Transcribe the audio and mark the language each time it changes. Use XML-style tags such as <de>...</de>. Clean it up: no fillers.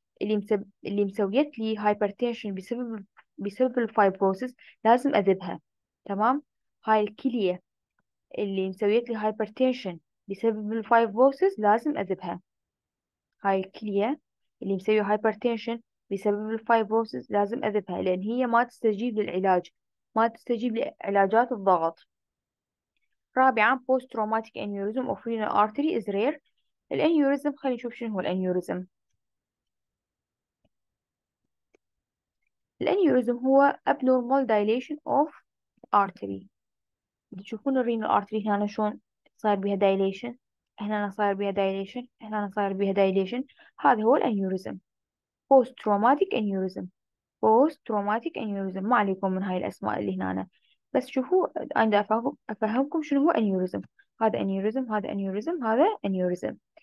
<ar>اللي مسويت لي هايبرتنشن بسبب الفايبروسيس لازم اذبها، تمام؟ هاي الكلية اللي مسويت لي هايبرتنشن بسبب الفايبروسيس لازم اذبها، هاي الكلية اللي مسوي هايبرتنشن بسبب الفايبروسيس لازم اذبها، لان هي ما تستجيب للعلاج، ما تستجيب لعلاجات الضغط.</ar> <en>رابعا post traumatic aneurysm of renal artery is rare.</en> <ar>الانيوريزم خلينا نشوف شنو هو الانيوريزم. الانيوريزم هو</ar> <en>abnormal dilation of artery.</en> <ar>تشوفون الرينال ارتري هنا شلون صاير بها dilation، هنا صاير بها dilation، هنا صاير بها dilation، هذا هو الانيوريزم.</ar> <en>post traumatic aneurysm، post traumatic aneurysm،</en> <ar>ما عليكم من هاي الاسماء اللي هنا أنا. بس شوفوا انا افهمكم شنو هو aneurysm. هذا aneurysm، هذا aneurysm، هذا aneurysm.</ar>